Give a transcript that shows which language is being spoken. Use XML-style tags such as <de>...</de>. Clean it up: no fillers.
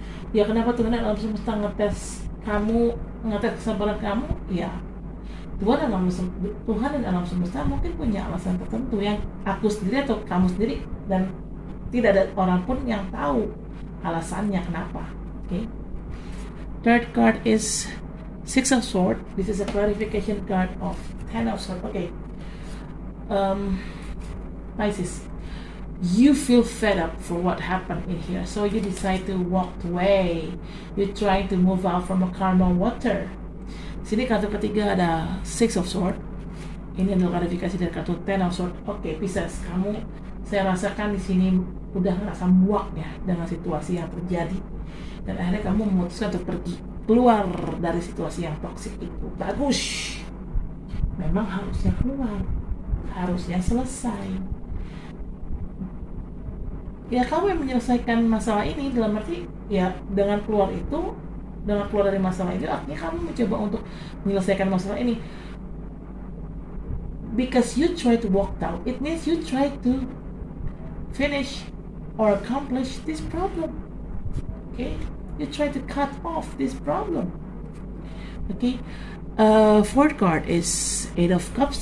<id>Ya kenapa Tuhan alam semesta ngetes kesabaran kamu? Ya Tuhan dan alam semesta mungkin punya alasan tertentu yang aku sendiri atau kamu sendiri dan tidak ada orang pun yang tahu alasannya kenapa.</id> <en>Okay. Third card is Six of Swords. This is a clarification card of Ten of Swords. Okay. Pisces, you feel fed up for what happened in here, so you decide to walk away. You're trying to move out from a karma water.</en> <id>Sini kartu ketiga ada Six of Swords. Ini adalah klarifikasi dari kartu Ten of Swords. Okay, Pisces, kamu, saya rasakan di sini udah ngerasa muak ya dengan situasi yang terjadi. Dan akhirnya kamu memutuskan untuk pergi keluar dari situasi yang toksik itu. Bagus. Memang harusnya keluar. Harusnya selesai. Ya kamu yang menyelesaikan masalah ini. Dalam arti ya dengan keluar itu, dengan keluar dari masalah itu, akhirnya kamu mencoba untuk menyelesaikan masalah ini.</id> <en>Because you try to walk out, it means you try to finish or accomplish this problem. Okay? You try to cut off this problem. Okay. Fourth card is Eight of Cups.</en>